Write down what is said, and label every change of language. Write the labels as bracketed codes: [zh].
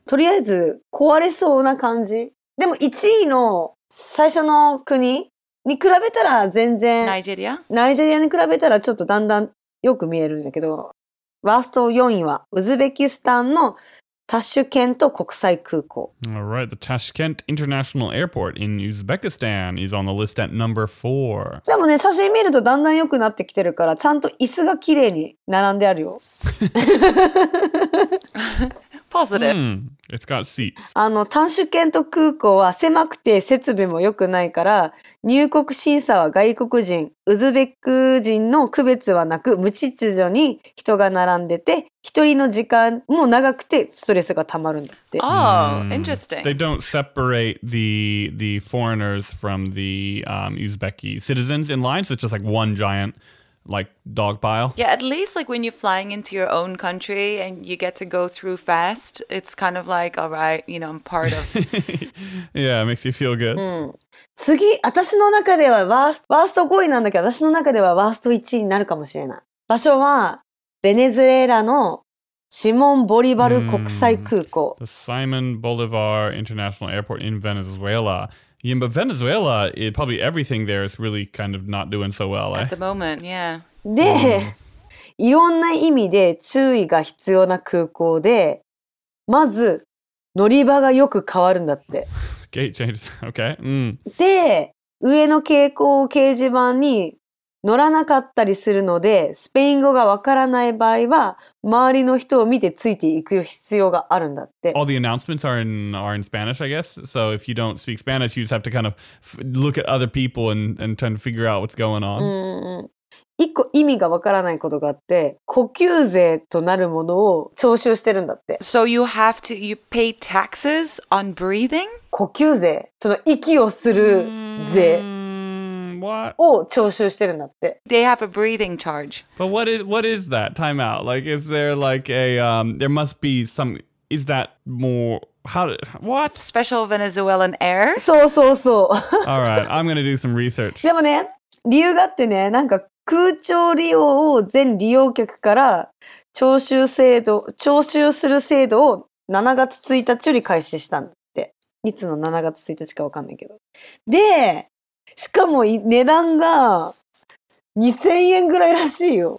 [ja] とりあえず、壊れそうな感じ。でも1位の最初の国に比べたら全然。ナイジェリア？ナイジェリアに比べたらちょっとだんだんよく見えるんだけど。ワースト4位は、ウズベキスタンのタシュケント国際空港。 [en] All right, the Tashkent International Airport in Uzbekistan is on the list at number 4. [ja] でもね、写真見るとだんだん良くなってきてるから、ちゃんと椅子が綺麗に並んであるよ。 [en] Positive. It's got seats. [ja] あの、タシュケント空港は狭くて設備も良くないから、入国審査は外国人、ウズベク人の区別はなく、無秩序に人が並んでて、一人の時間も長くてストレスがたまるんだって。 [en] Oh, interesting. They don't separate the foreigners from the Uzbeki citizens in line, so it's just like one giant, like, dog pile. Yeah, at least like when you're flying into your own country and you get to go through fast, it's kind of like, all right, you know, I'm part of. Yeah, it makes you feel good. [ja] 次、私の中ではワースト5位なんだけど、私の中ではワースト1位になるかもしれない。場所は、ベネズエラのシモン・ボリバル国際空港。 [en] The Simon Bolivar International Airport in Venezuela. Yeah, but Venezuela, it, probably everything there is really kind of not doing so well, eh? At the moment, yeah. [ja] で、いろんな意味で注意が必要な空港で、まず乗り場がよく変わるんだって。 [en] Gate changes, okay.、 [ja] で、上の蛍光掲示板に乗らなかったりするので、スペイン語がわからない場合は、周りの人を見てついていく必要があるんだって。 [en] All the announcements are in Spanish, I guess. So if you don't speak Spanish, you just have to kind of look at other people and try to figure out what's going on. [ja] 一個意味がわからないことがあって、呼吸税となるものを徴収してるんだって。 [en] So you have to, you pay taxes on breathing? [ja] 呼吸税、その息をする税。 [en] What? [ja] を徴収してるんだって。 [en] They have a breathing charge. But what is that? Time out. Like, is there like a, there must be some, is that more, how, what? Special Venezuelan air? [ja] そうそうそう。 [en] Alright, I'm gonna do some research. [ja] でもね、理由があってね、なんか空調利用を全利用客から徴収する制度を7月1日より開始したんだって。いつの7月1日かわかんないけど。で、しかも値段が2000円ぐらいらしいよ。